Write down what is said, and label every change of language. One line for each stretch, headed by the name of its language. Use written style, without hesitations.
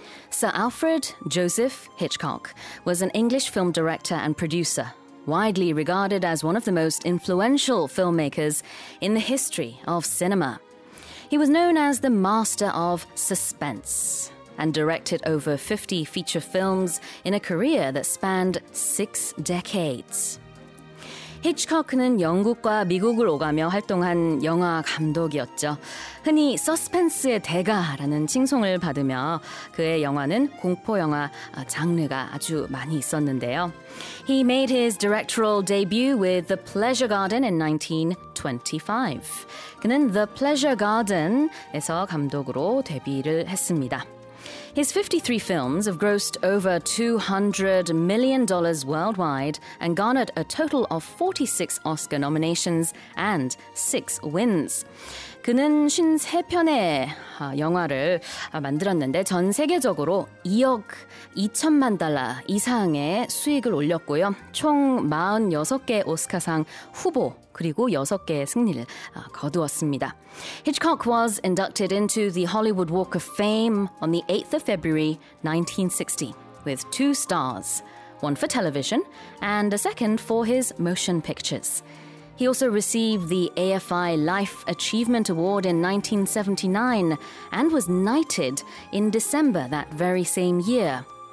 English: Sir Alfred Joseph Hitchcock was an English film director and producer, widely regarded as one of the most influential filmmakers in the history of cinema. He was known as the master of suspense and directed over 50 feature films in a career that spanned six decades.
Korean: 히치콕은 영국과 미국을 오가며 활동한 영화 감독이었죠. 흔히 서스펜스의 대가라는 칭송을 받으며 그의 영화는 공포 영화 장르가 아주 많이 있었는데요.
English: He made his directorial debut with The Pleasure Garden in 1925.
Korean: 그는 The Pleasure Garden에서 감독으로 데뷔를 했습니다.
English: His 53 films have grossed over $200 million worldwide and garnered a total of 46 Oscar nominations and 6 wins.
Korean: 그는 53편의 영화를 만들었는데 전 세계적으로 2억 2천만 달러 이상의 수익을 올렸고요. 총 46개 오스카상 후보 그리고 6개의 승리를 거두었습니다.
English: Hitchcock was inducted into the Hollywood Walk of Fame on the 8th of February 1960 with two stars, one for television and a second for his motion pictures. He also received the AFI Life Achievement Award in 1979 and was knighted in December that very same year.